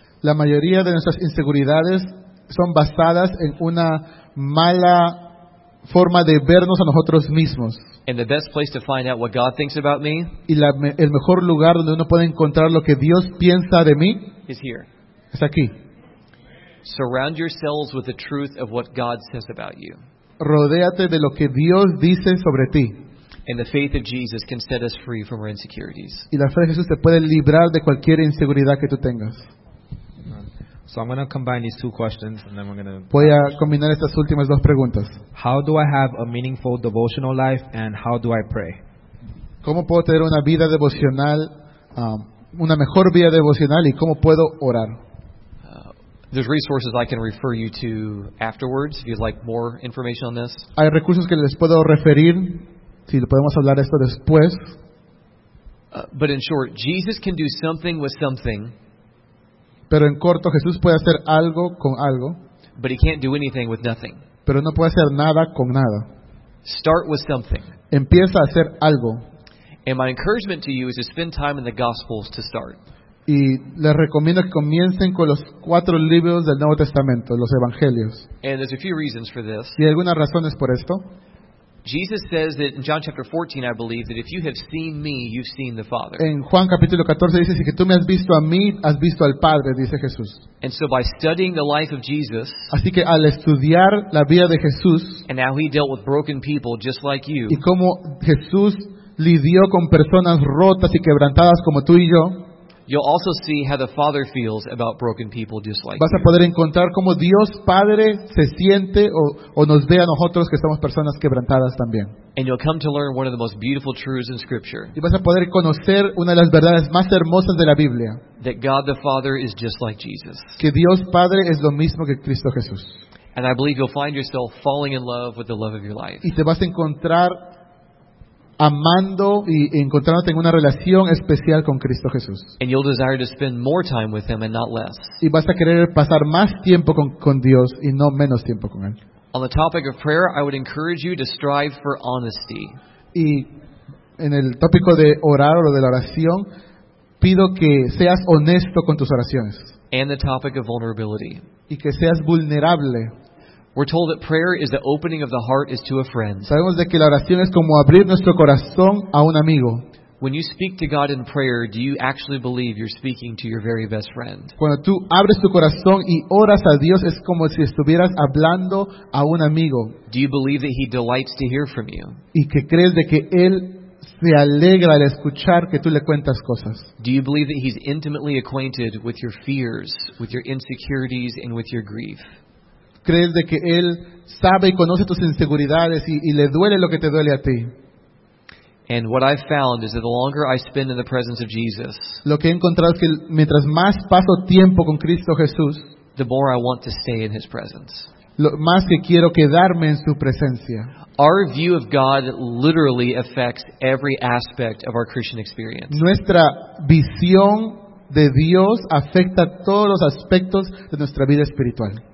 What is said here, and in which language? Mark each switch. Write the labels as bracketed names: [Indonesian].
[Spanish] La mayoría de nuestras inseguridades son basadas en una mala forma de vernos a nosotros mismos. [English] And the best place to find out what God thinks about me, [Spanish] y el mejor lugar donde uno puede encontrar lo que Dios piensa de mí, [English] is here. [Spanish] Es aquí. [English] Surround yourselves with the truth of what God says about you. [Spanish] Rodéate de lo que Dios dice sobre ti. [English] And the faith of Jesus can set us free from our insecurities. [Spanish] Y la fe de Jesús te puede librar de cualquier inseguridad que tú tengas. [English] So I'm going to combine these two questions and then we're going to... [Spanish] Voy a combinar estas últimas dos preguntas. [English] How do I have a meaningful devotional life and how do I pray? [Spanish] ¿Cómo puedo tener una vida devocional, una mejor vida devocional y cómo puedo orar? [English] There's resources I can refer you to afterwards if you'd like more information on this. [Spanish] Hay recursos que les puedo referir si le podemos hablar esto después. [English] But in short, Jesus can do something with something. [Spanish] Pero en corto, Jesús puede hacer algo con algo. [English] But he can't do anything with nothing. [Spanish] Pero no puede hacer nada con nada. [English] Start with something. [Spanish] Empieza a hacer algo. [English] And my encouragement to you is to spend time in the Gospels to start. [Spanish] Y les recomiendo que comiencen con los cuatro libros del Nuevo Testamento, los Evangelios. [English] And there's a few reasons for this. [Spanish] Y hay algunas razones por esto. [English] Jesus says that in John chapter 14, I believe, that if you have seen me, you've seen the Father. [Spanish] En Juan capítulo 14 dice, si que tú me has visto a mí, has visto al Padre, dice Jesús. [English] And so by studying the life of Jesus, [Spanish] así que al estudiar la vida de Jesús, [English] and how he dealt with broken people just like you, [Spanish] y cómo Jesús lidió con personas rotas y quebrantadas como tú y yo, [English] you'll also see how the Father feels about broken people just like [Spanish] vas a poder encontrar cómo Dios Padre se siente o nos ve a nosotros que somos personas quebrantadas también. [English] And you'll come to learn one of the most beautiful truths in Scripture. [Spanish] Y vas a poder conocer una de las verdades más hermosas de la Biblia. [English] That God the Father is just like Jesus. [Spanish] Que Dios Padre es lo mismo que Cristo Jesús. [English] And I believe you'll find yourself falling in love with the love of your life. [Spanish] Y te vas a encontrar amando y encontrándote en una relación especial con Cristo Jesús. [English] And you'll desire to spend more time with him and not less. [Spanish] Y vas a querer pasar más tiempo con Dios y no menos tiempo con él. [English] On the topic of prayer, I would encourage you to strive for honesty. [Spanish] Y en el tópico de orar o de la oración, pido que seas honesto con tus oraciones. [English] And the topic of vulnerability. [Spanish] Y que seas vulnerable. [English] We're told that prayer is the opening of the heart is to a friend. [Spanish] Sabemos de que la oración es como abrir nuestro corazón a un amigo. [English] When you speak to God in prayer, do you actually believe you're speaking to your very best friend? [Spanish] Cuando tú abres tu corazón y oras a Dios es como si estuvieras hablando a un amigo. [English] Do you believe that he delights to hear from you? [Spanish] ¿Y que crees de que él se alegra al escuchar que tú le cuentas cosas. [English] Do you believe that he's intimately acquainted with your fears, with your insecurities, and with your grief? [Spanish] ¿Crees de que él sabe y conoce tus inseguridades y le duele lo que te duele a ti? [English] And what I've found is that the longer I spend in the presence of Jesus, [Spanish] lo que he encontrado es que mientras más paso tiempo con Cristo Jesús, [English] the more I want to stay in his presence. [Spanish] Lo más que quiero quedarme en su presencia. [English] Our view of God literally affects every aspect of our Christian experience. [Spanish] Nuestra visión de Dios afecta todos los aspectos de nuestra vida espiritual.